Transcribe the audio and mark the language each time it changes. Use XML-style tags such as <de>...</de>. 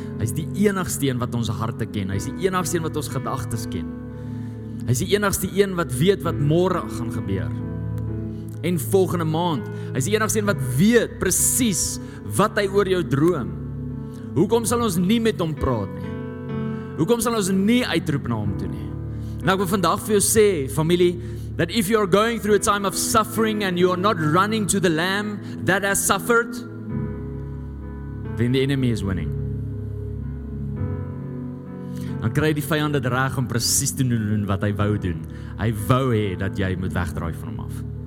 <af>Hy is die enigste een wat ons harte ken. Hy is die enigste een wat ons gedagtes ken. Hy is die enigste een wat weet wat môre gaan gebeur. En volgende maand. Hy is die enigste een wat weet presies wat hy oor jou droom. Hoekom sal ons nie met hom praat nie? Hoekom sal ons nie uitroep na hom toe nie? Nou ek wil vandag vir jou sê, familie,</af> <en>that if you are going through a time of suffering and you are not running to the lamb that has suffered, then the enemy is winning.</en> <af>Dan kry die vyand dit reg om presies te doen wat hy wou doen. Hy wou hê dat jy moet wegdraai van hom af.</af>